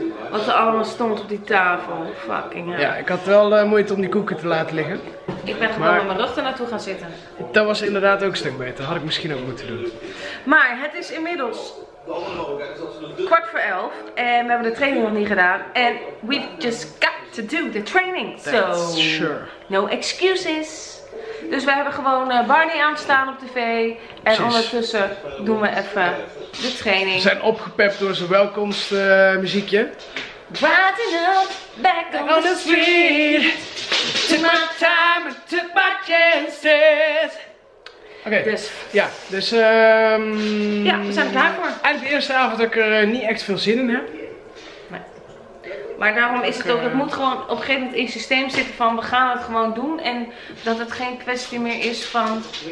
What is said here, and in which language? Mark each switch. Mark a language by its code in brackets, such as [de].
[nl] Wat er allemaal stond op die tafel. Fucking hell. Ja, ik had wel moeite om die koeken te laten liggen. Ik ben gewoon met mijn rug er naartoe gaan zitten. Dat was inderdaad ook een stuk beter. Had ik misschien ook moeten doen. Maar het is inmiddels 11:15. En we hebben de training nog niet gedaan. [en] En we've just got to do the training. So, sure. No excuses. [nl] Dus we hebben gewoon Barney aanstaan op tv. En Precies. Ondertussen doen we even de training. We zijn opgepept door zijn welkomst muziekje. [en] Riding up, back on the street. Took my time and took my chances. [nl] Oké, dus. Ja, dus ja, we zijn er klaar voor. Eigenlijk de eerste avond dat ik er niet echt veel zin in heb. Maar daarom is het ook, het moet gewoon op een gegeven moment in het systeem zitten van we gaan het gewoon doen. En dat het geen kwestie meer is van.